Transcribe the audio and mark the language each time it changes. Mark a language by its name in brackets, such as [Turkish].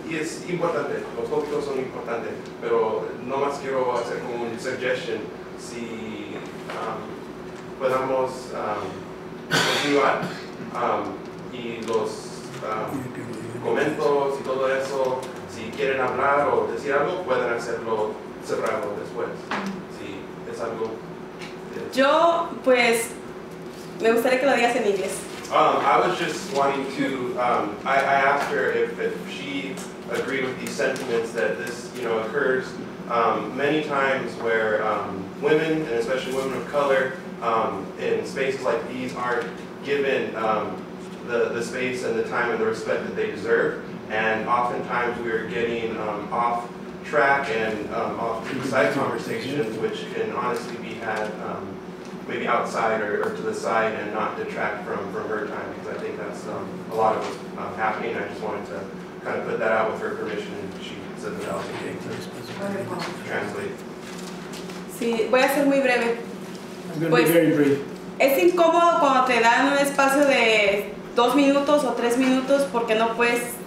[Spanish] Y es importante, los tópicos son importantes, pero no más quiero hacer como un suggestion si podamos continuar y los comentarios y todo eso, si quieren hablar o decir algo, pueden hacerlo cerrado después. Yo, pues, me gustaría que lo digas en inglés. [English] I was just wanting to, I asked her if she agreed with these sentiments that this, you know, occurs many times where women, and especially women of color, in spaces like these aren't given the space and the time and the respect that they deserve. And oftentimes we are getting off track and off-side conversations, which can honestly be had maybe outside or to the side and not detract from her time, because I think that's a lot of what's happening. I just wanted to kind of put that out with her permission, and she said that I'll be able to translate. [Spanish] Sí, voy a ser muy breve. [English] I'm going to be very brief. [Spanish] Es incómodo cuando te dan un espacio de 2 minutos o 3 minutos porque no puedes.